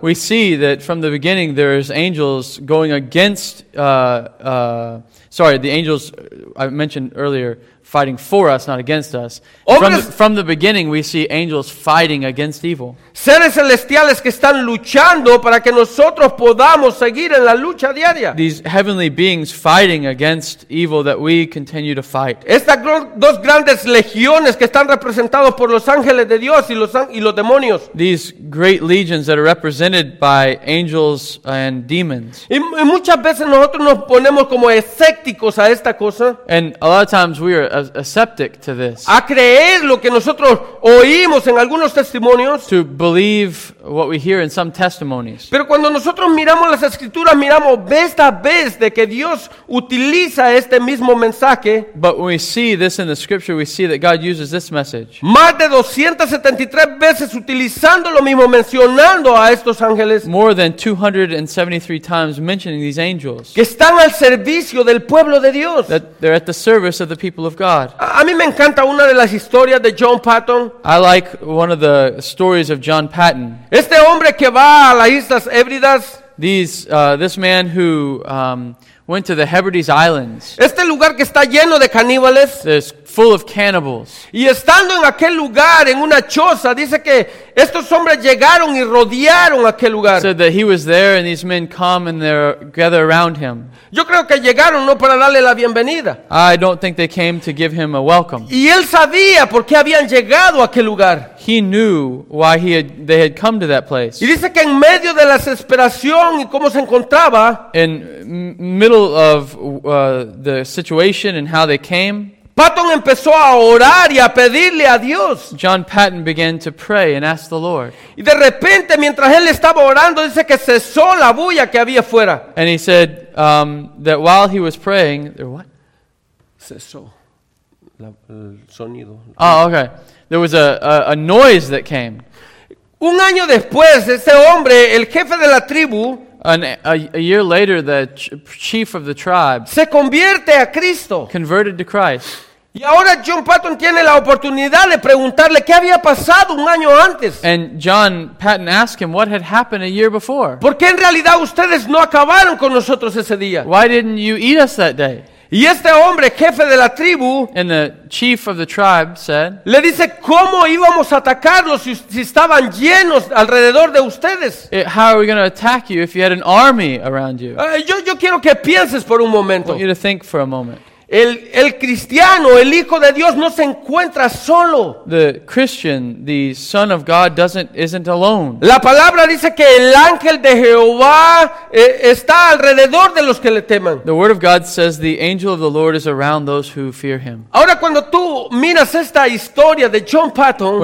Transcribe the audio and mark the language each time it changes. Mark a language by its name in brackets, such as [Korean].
[English] We see that from the beginning there's angels going against the angels I mentioned earlier fighting for us, not against us. From the beginning, we see angels fighting against evil. [Spanish] Seres celestiales que están luchando para que nosotros podamos seguir en la lucha diaria. [English] These heavenly beings fighting against evil that we continue to fight. [Spanish] Estas dos grandes legiones que están representados por los ángeles de Dios y los demonios. [English] These great legions that are represented by angels and demons. [Spanish] Y muchas veces nosotros nos ponemos como escépticos a esta cosa. [English] And a lot of times we are a skeptic to this. [Spanish] A creer lo que nosotros oímos en algunos testimonios. [English] To believe what we hear in some testimonies. [Spanish] Pero cuando nosotros miramos las escrituras, miramos vez a vez de que Dios utiliza este mismo mensaje. [English] But when we see this in the scripture, we see that God uses this message. [Spanish] Más de 273 veces utilizando lo mismo, mencionando a estos ángeles. [English] More than 273 times mentioning these angels. [Spanish] Que están al servicio del pueblo de Dios. [English] That they're at the service of the people of God. [Spanish] A mí me encanta una de las historias de John Patton. [English] I like one of the stories of John Patton. [Spanish] Este hombre que va a las Islas Hébridas. [English] This man who went to the Hebrides Islands. [Spanish] Este lugar que está lleno de caníbales. [English] This full of cannibals. [Spanish] Y estando en aquel lugar, en una choza, dice que estos hombres llegaron y rodearon aquel lugar. [English] Said that he was there and these men come and they gather around him. [Spanish] Yo creo que llegaron no para darle la bienvenida. [English] I don't think they came to give him a welcome. [Spanish] Y él sabía por qué habían llegado a aquel lugar. [English] He knew why they had come to that place. [Spanish] Y dice que en medio de la desesperación y cómo se encontraba. [English] In middle of the situation and how they came. [Spanish] Patton empezó a orar y a pedirle a Dios. [English] John Patton began to pray and ask the Lord. [Spanish] Y de repente, mientras él estaba orando, dice que cesó la bulla que había fuera. [English] And he said that while he was praying, there what? [Spanish] Cesó el sonido. [English] Oh, okay. There was a noise that came. [Spanish] Un año después, ese hombre, el jefe de la tribu, [English] A year later, the chief of the tribe [Spanish] se convierte a Cristo. [English] Converted to Christ. [Spanish] Y ahora John Patton tiene la oportunidad de preguntarle qué había pasado un año antes. [English] And John Patton asked him what had happened a year before. [Spanish] ¿Por qué en realidad ustedes no acabaron con nosotros ese día? [English] Why didn't you eat us that day? [Spanish] Y este hombre, jefe de la tribu, [English] and the chief of the tribe said, [Spanish] le dice, ¿cómo íbamos a atacarlos si estaban llenos alrededor de ustedes? [English] How are we going to attack you if you had an army around you? [Spanish] Yo quiero que pienses por un momento. [English] I want you to think for a moment. [Spanish] El cristiano, el hijo de Dios, no se encuentra solo. [English] The Christian, the son of God, isn't alone. [Spanish] La palabra dice que el ángel de Jehová está alrededor de los que le teman. [English] The word of God says the angel of the Lord is around those who fear him. [Spanish] Ahora cuando tú miras esta historia de John Patton,